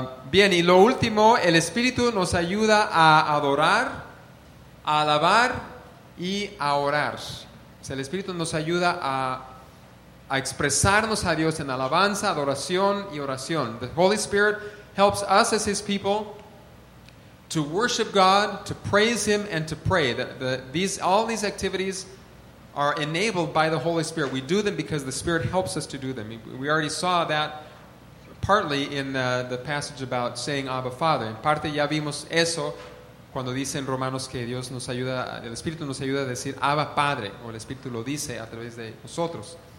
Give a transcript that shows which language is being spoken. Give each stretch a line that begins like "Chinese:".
Spanish: Bien, y lo último, el Espíritu nos ayuda a adorar, a alabar y a orar. O sea, el Espíritu nos ayuda a expresarnos a Dios en alabanza, adoración y oración.
English: The Holy Spirit helps us as His people to worship God, to praise Him, and to pray. All these activities are enabled by the Holy Spirit. We do them because the Spirit helps us to do them. We already saw that partly in the passage about saying Abba Father.
Spanish: En parte ya vimos eso cuando dice en Romanos que Dios nos ayuda, el Espíritu nos ayuda a decir Abba Padre, o el Espíritu lo dice a través de nosotros.